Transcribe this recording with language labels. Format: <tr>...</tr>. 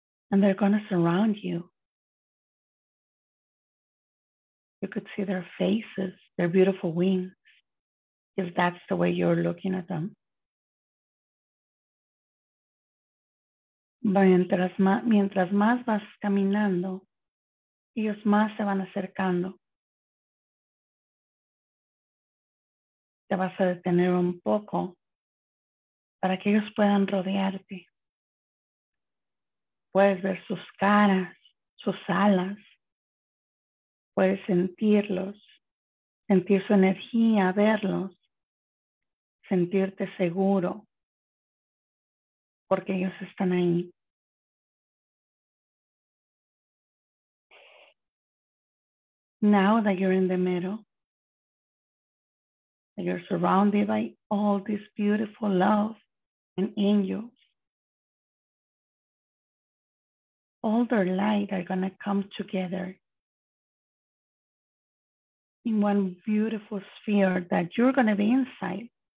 <en>And they're going to surround you. You could see their faces, their beautiful wings, if that's the way you're looking at them.</en> <es>Mientras más vas caminando, ellos más se van acercando. Te vas a detener un poco para que ellos puedan rodearte. Puedes ver sus caras, sus alas. Puedes sentirlos, sentir su energía, verlos, sentirte seguro, porque ellos están ahí.</es> <en>Now that you're in the middle, that you're surrounded by all this beautiful love and angels, all their light are going to come together in one beautiful sphere that you're going to be inside.</en>